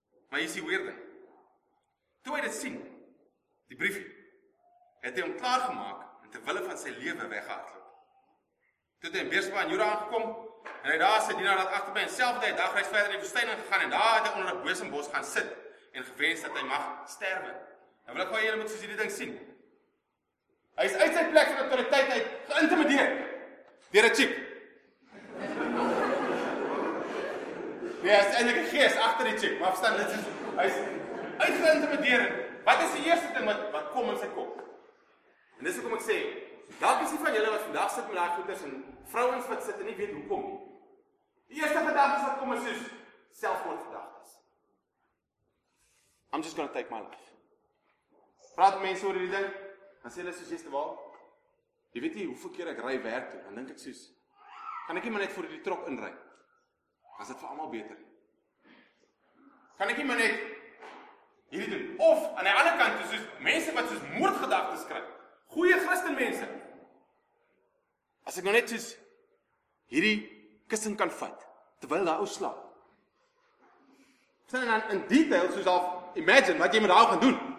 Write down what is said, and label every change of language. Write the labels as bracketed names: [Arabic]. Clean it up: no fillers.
[Afrikaans] Maar hier is die weer ding. Toe hy dit sien, die briefie, het hy hom klaargemaak en terwille van sy lewe weggehardloop. Toe het hy in Beersheba in Juda aangekom en hy daar sy dienaar dat agter by dieselfde dag reis verder in die woestyn ingegaan en daar het hy onder 'n bosembos gaan sit en gewens dat hy mag sterwe. Nou wil ek gou julle moet soos hierdie ding sien. Hy is uit sy plek van autoriteit uit geïntimideer. Deur 'n chip. Nee, hy is eintlik 'n gees agter die chip, maar verstaan dit is hy's uitgeïntimideer. Wat is die eerste ding wat kom in sy kop? En dis hoekom ek sê, dalk is iemand van julle wat vandag sit met daai goeters en vrouens wat sit en nie weet hoekom nie. Die eerste gedagte wat kom is soos selfmoordgedagtes. [English] I'm just going to take my life. [Afrikaans] Praat mense oor hierdie ding, dan sê hulle soos jy's te wel. Jy weet nie hoeveel keer ek ry werk toe, dan dink ek soos, kan ek nie maar net voor die trok inry? Was dit vir almal beter? Kan ek nie maar net hierdie doen? Of, aan die ander kant, soos mense wat soos moordgedagtes kry, goeie Christen mense, as ek nou net soos hierdie kussing kan vat, terwyl daar ou slaap, sien dan in detail soos al, imagine wat jy met daar gaan doen.